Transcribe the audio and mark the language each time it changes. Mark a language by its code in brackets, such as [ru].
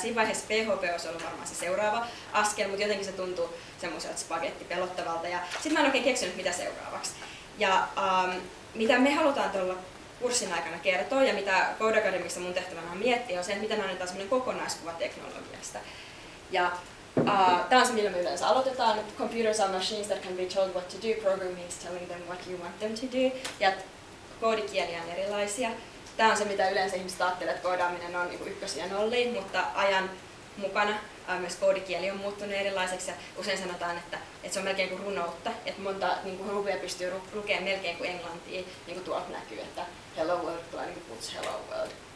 [fi] Siinä vaiheessa PHP olisi ollut varmaan se seuraava askel, mutta jotenkin se tuntui semmoiselta spagetti pelottavalta. Ja sitten mä en oikein keksinyt, mitä seuraavaksi. Ja mitä me halutaan tuolla kurssin aikana kertoa ja mitä Code Academyssa mun tehtävänä on miettiä, on se, että mitä me annetaan semmoinen kokonaiskuva teknologiasta. Ja tämä on se, millä me yleensä aloitetaan. [en] Computers are machines that can be told what to do. Program means telling them what you want them to do. [fi] Ja koodikieliä on erilaisia. Tämä on se, mitä yleensä ihmiset ajattelee, että koodaaminen on ykkösiä nolliin, mutta ajan mukana myös koodikieli on muuttunut erilaiseksi. Ja usein sanotaan, että se on melkein kuin runoutta, että monta niin kuin ruvia pystyy lukemaan melkein kuin englantia, niin kuin tuolta näkyy, että hello world tulee niin kuin puts hello world.